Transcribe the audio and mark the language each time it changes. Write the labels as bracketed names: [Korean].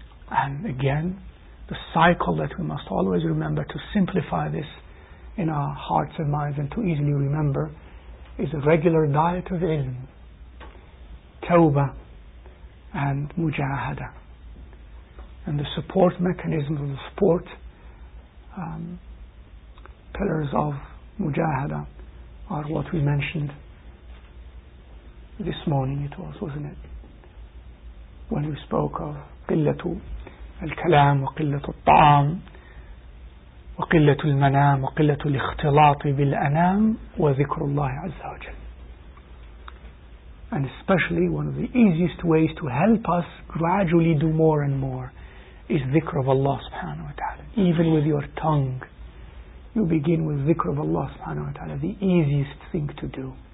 [English] And again, the cycle that we must always remember to simplify this in our hearts and minds and to easily remember is a regular diet of ilm, tawbah and mujahada. And the support mechanisms, the support pillars of mujahada are what we mentioned this morning, it was, wasn't it? When we spoke of qillatu [Arabic] الكلام وقلة الطعام وقلة المنام وقلة الاختلاط بالأنام وذكر الله عز وجل. [English] And especially one of the easiest ways to help us gradually do more and more is dhikr of Allah subhanahu wa ta'ala. Even with your tongue, you begin with dhikr of Allah subhanahu wa ta'ala, the easiest thing to do.